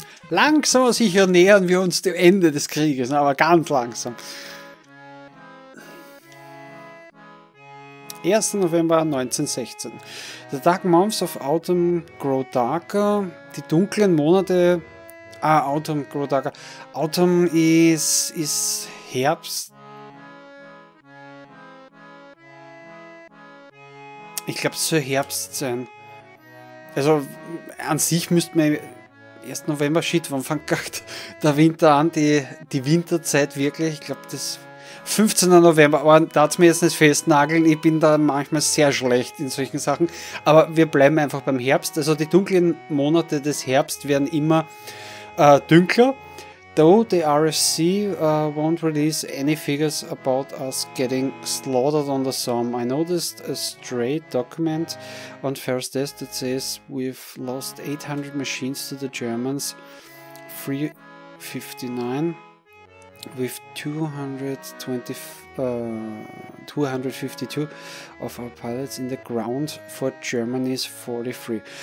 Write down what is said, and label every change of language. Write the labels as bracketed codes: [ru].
[de] Langsam sicher nähern wir uns dem Ende des Krieges, aber ganz langsam. 1. [en] November 1916. The dark months of autumn grow darker. [de] Die dunklen Monate... [en] autumn grow darker. [de] Autumn ist Herbst. Ich glaube, es soll Herbst sein. Also, an sich müsste man... 1. November, shit, wann fängt der Winter an? Die Winterzeit wirklich, ich glaube, das... 15. November, aber da hat es mir jetzt nicht festnageln. Ich bin da manchmal sehr schlecht in solchen Sachen. Aber wir bleiben einfach beim Herbst. Also, die dunklen Monate des Herbst werden immer dunkler. [en] Though the RFC won't release any figures about us getting slaughtered on the Somme, I noticed a stray document on first desk that says we've lost 800 machines to the Germans, 359, with 252 of our pilots in the ground for Germany's 43.